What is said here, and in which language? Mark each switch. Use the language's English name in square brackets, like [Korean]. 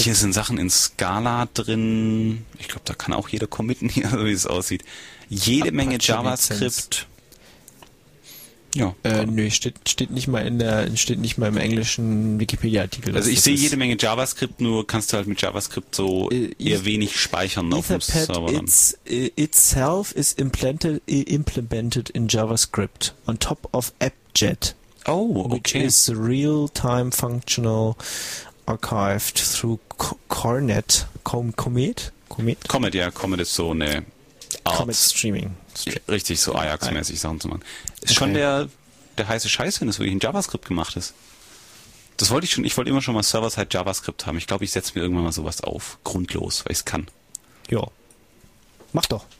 [German] Hier sind Sachen in Scala drin. Ich glaube, da kann auch jeder committen hier, wie es aussieht. Jede Apache Menge JavaScript. Ja. Nö, steht nicht mal im englischen Wikipedia-Artikel. Also ich sehe jede Menge JavaScript, nur kannst du halt mit JavaScript so eher wenig speichern auf dem Server. [English] Itself is implemented in JavaScript on top of AppJet. [German] Oh, okay. [English] Which is real-time functional archived through Cornet. [German] Comet. Comet ist so eine Art. Comet Streaming. Richtig, so Ajax-mäßig Sachen zu machen. Schon der heiße Scheiß, wenn das wirklich in JavaScript gemacht ist. Das wollte ich schon, ich wollte immer schon mal Server-Side JavaScript haben. Ich glaube, ich setze mir irgendwann mal sowas auf. Grundlos, weil ich es kann. Ja. Mach doch.